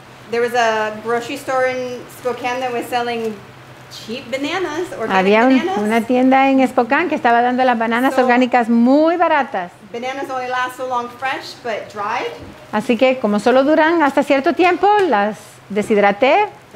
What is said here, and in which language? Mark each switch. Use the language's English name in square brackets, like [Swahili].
[English] There was a grocery store in Spokane that was selling cheap bananas, organic [Spanish] Había un, bananas. Una tienda en Spokane que estaba dando las bananas so, orgánicas muy baratas. [English] Bananas only last so long fresh, but dried. [Spanish] Así que como solo duran hasta cierto tiempo, las deshidraté.